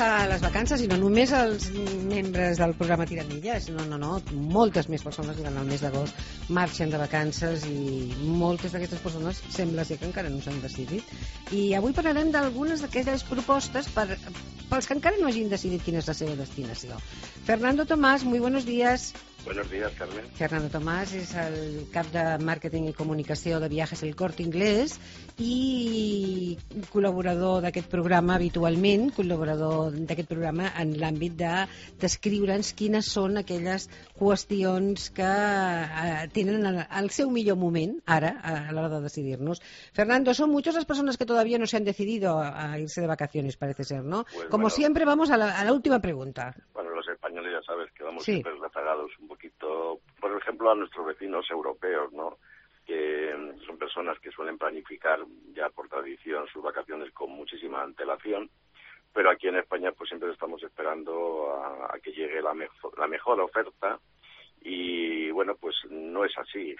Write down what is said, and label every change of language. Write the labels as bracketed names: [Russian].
[Catalan] les vacances i no només els membres del programa Tiramilles, no, moltes més persones durant el mes d'agost marxen de vacances i moltes d'aquestes persones sembla ser que encara no s'han decidit. I avui parlarem d'algunes d'aquestes propostes pels que encara no hagin decidit quina és la seva destinació. [Spanish] Fernando Tomás, muy buenos días. Buenos días, Carmen. [Catalan] Fernando Tomás és el cap de màrqueting i comunicació de Viajes El Corte Inglés i col·laborador d'aquest programa habitualment, col·laborador d'aquest programa en l'àmbit de descriure'ns quines són aquelles qüestions que tenen el seu millor moment ara, a l'hora de decidir-nos. [Spanish] Fernando, son muchas las personas que todavía no se han decidido a irse de vacaciones, parece ser, ¿no? Pues como bueno, siempre, vamos a la última pregunta. Bueno, los españoles ya sabes que vamos siempre rezagados un poquito, por ejemplo, a nuestros vecinos europeos, ¿no? Que son personas que suelen planificar ya por tradición sus vacaciones con muchísima antelación, pero aquí en España pues siempre estamos esperando a que llegue la mejor oferta y bueno, pues no es así.